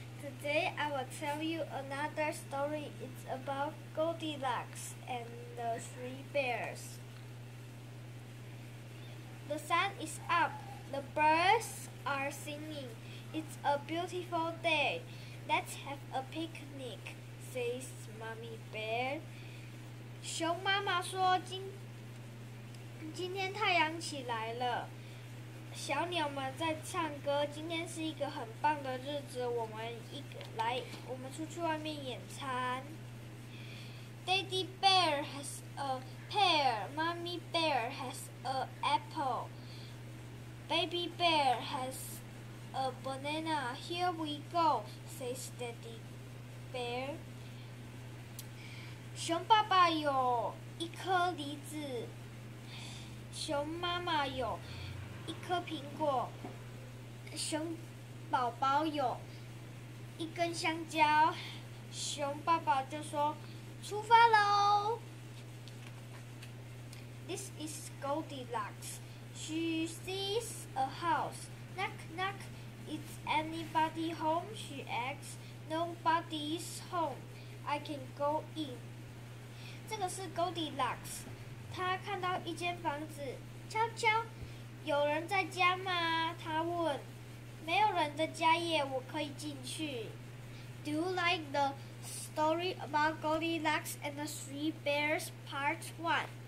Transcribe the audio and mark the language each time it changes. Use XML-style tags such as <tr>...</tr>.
<en>Today I will tell you another story. It's about Goldilocks and the three bears. The sun is up. The birds are singing. It's a beautiful day. Let's have a picnic, says Mommy Bear.</en> <zh>熊妈妈说今天太阳起来了。小鸟们在唱歌，今天是一个很棒的日子，我们出去外面野餐。</zh> <en>Daddy Bear has a pear, Mommy Bear has a apple, Baby Bear has a banana, here we go, says Daddy Bear.</en> <zh>熊爸爸有一颗梨子，熊妈妈有一颗苹果，熊宝宝有一根香蕉，熊爸爸就说出发咯。</zh> <en>This is Goldilocks. She sees a house. Knock, knock. Is anybody home? She asks. Nobody's home. I can go in.</en> <zh>这个是 Goldilocks. 她看到一间房子，敲敲，有人在家吗？他问。没有人的家耶，我可以进去。</zh> <en>Do you like the story about Goldilocks and the Three Bears Part 1?</en>